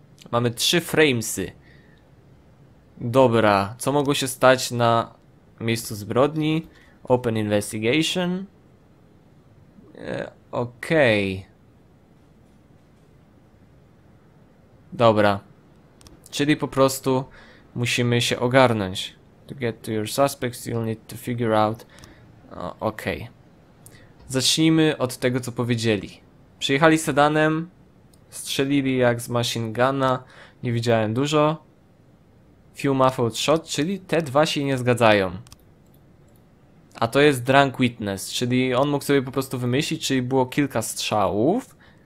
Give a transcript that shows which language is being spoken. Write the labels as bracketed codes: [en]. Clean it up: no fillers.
[pl] Mamy 3 framesy. Dobra, co mogło się stać na miejscu zbrodni? [en] Open investigation. [pl] Okej. Dobra. Czyli po prostu musimy się ogarnąć. [en] to get to your suspects, you'll need to figure out... [pl] Okej. Zacznijmy od tego, co powiedzieli. Przyjechali sedanem, strzelili jak z machine gunna, nie widziałem dużo. [en] Few muffled shot, [pl] czyli te dwa się nie zgadzają. A to jest drunk witness, czyli on mógł sobie po prostu wymyślić, czyli było kilka strzałów.